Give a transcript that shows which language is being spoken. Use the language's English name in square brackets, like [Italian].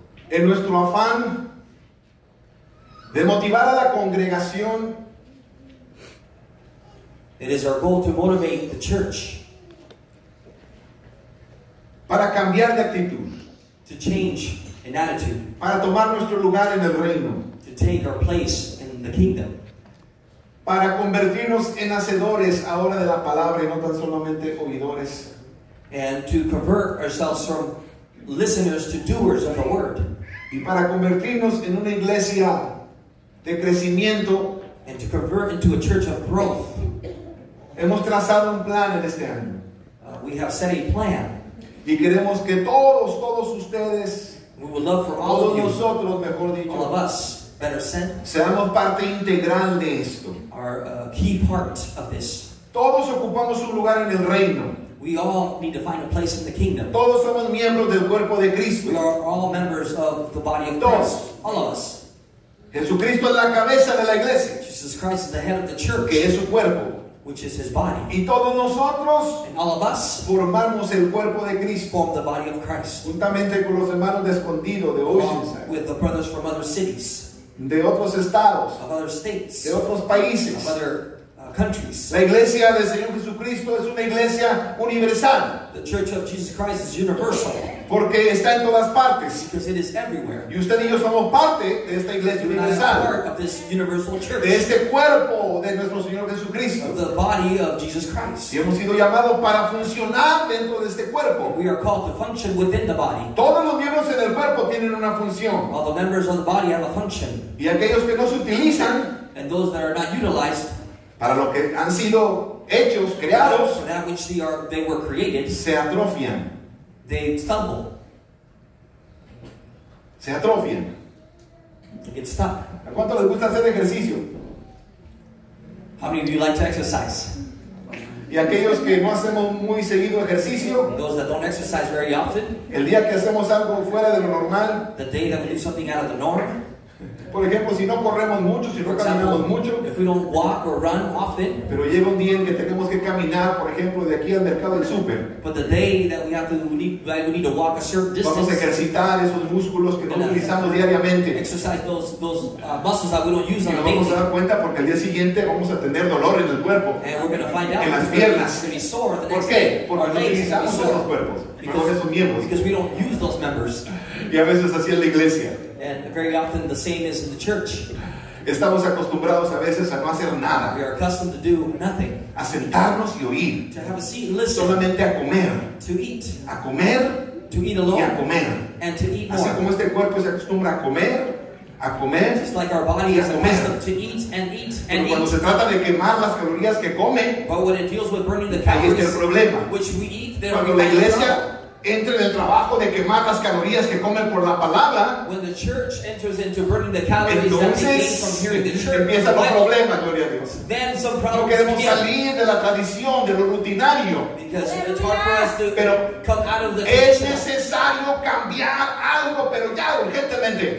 [Spanish] En nuestro afán de motivar a la congregación, [English] it is our goal to motivate the church [Spanish] para cambiar de actitud, [English] to change an attitude, [Spanish] para tomar nuestro lugar en el reino, [English] to take our place in the kingdom, [Spanish] para convertirnos en hacedores ahora de la palabra y no tan solamente oidores, [English] and to convert ourselves from listeners to doers of the word, [Spanish] y para convertirnos en una iglesia de crecimiento, [English] and to convert into a church of growth. [Spanish] Hemos trazado un plan en este año. [English] We have set a plan. [Spanish] Y queremos que todos ustedes, [English] we would love for [Spanish] todos [English] all of [Spanish] nosotros, [English] you, [Spanish] mejor dicho, [English] all of us, better said, [Spanish] seamos parte integral de esto. [English] Are a key part of this. [Spanish] Todos ocupamos un lugar en el reino. [English] We all need to find a place in the kingdom. [Spanish] Todos somos miembros del cuerpo de Cristo. [English] We are all members of the body of Christ. All of us. [Spanish] Jesucristo es la cabeza de la iglesia. [English] Jesus Christ is the head of the church. [Spanish] Que es su cuerpo. [English] Which is his body. [Spanish] Y todos nosotros, [English] and all of us, [Spanish] formamos el cuerpo de Cristo, [English] form the body of Christ, [Spanish] juntamente con los hermanos de Escondido, de Oceanside, [English] with the brothers from other cities, [Spanish] de otros estados, [English] of other states, [Spanish] de otros países, [English] of other countries. [Spanish] La iglesia del Señor Jesucristo es una iglesia universal. [English] The church of Jesus Christ is universal. [Spanish] Porque está en todas partes. [English] Because it is everywhere. [Spanish] Y usted y yo somos parte de esta iglesia universal. [English] Part of this universal church. [Spanish] De este cuerpo de nuestro Señor Jesucristo. [English] Of the body of Jesus Christ. [Spanish] Y hemos sido llamados para funcionar dentro de este cuerpo. [English] We are called to function within the body. [Spanish] Todos los miembros en el cuerpo tienen una función. [English] All the members of the body have a function. [Spanish] Y aquellos que no se utilizan, [English] and those that are not utilized, [Spanish] para lo que han sido hechos, creados, [English] for that which they were created, [Spanish] se atrofian. [English] They stumble. [Spanish] Se atrofian. [English] They get stuck. [Spanish] ¿A cuánto les gusta hacer ejercicio? [English] How many of you like to exercise? [Spanish] Y aquellos que no hacemos muy seguido ejercicio, [English] and those that don't exercise very often, [Spanish] el día que hacemos algo fuera de lo normal, [English] the day that we do something out of the norm, [Spanish] por ejemplo, si no corremos mucho, si no caminamos mucho, [English] if we don't walk or run often, [Spanish] pero llega un día en que tenemos que caminar, por ejemplo, de aquí al mercado del súper, [English] but the day that we have to, we need to walk a certain distance, [Spanish] vamos a ejercitar esos músculos que no utilizamos diariamente, [English] exercise those muscles that we don't use on daily, [Spanish] y nos vamos a dar cuenta porque el día siguiente vamos a tener dolor en el cuerpo, [English] and we're going to find out, [Spanish] en las piernas, [English] be sore the next, [Spanish] ¿por qué? Porque no utilizamos esos cuerpos, [English] because, [Spanish] esos miembros, [English] because we don't use those members. [Spanish] Y a veces así en la iglesia. [English] And very often the same is in the church. [Spanish] Estamos acostumbrados a veces a no hacer nada. [English] We are accustomed to do nothing. [Spanish] A sentarnos y oír. [English] To have a seat and listen. [Spanish] Solamente a comer. [English] To eat. [Spanish] A comer. [English] To eat alone. [Spanish] Y a comer. [English] And to eat [Spanish] así [English] more. [Spanish] Como este cuerpo se acostumbra a comer. A comer. [English] Just like our body is accustomed to eat and eat and [Spanish] pero cuando [English] eat. [Spanish] Se trata de quemar las calorías que come, [English] but when it deals with burning the calories, [Spanish] ahí está el problema. [English] Which we eat, then [Spanish] cuando [English] we [Spanish] la iglesia entre en el trabajo de quemar las calorías que comen por la palabra, [English] when the church enters into burning the calories, [Spanish] entonces empiezan los problemas, gloria a Dios. [English] Then some problems, [Spanish] no queremos salir de la tradición, de lo rutinario, pero [English] come out of the [Spanish] es necesario cambiar algo, pero ya urgentemente.